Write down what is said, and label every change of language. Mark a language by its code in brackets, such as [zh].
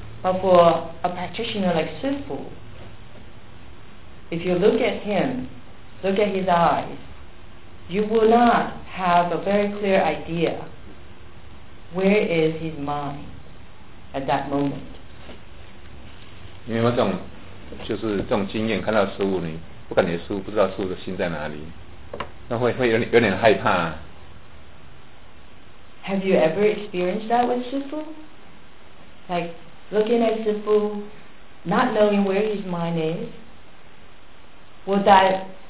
[en] But for a practitioner like Sifu, if you look at him,look at his eyes, you will not have a very clear idea where is his mind at that moment. [zh] 因为就是这种经验，看到师父，你不感觉师父，不知道师父的心在哪里，那会有点害怕。 [en] Have you ever experienced that with 师父? Like looking at 师父, not knowing where his mind is, would that...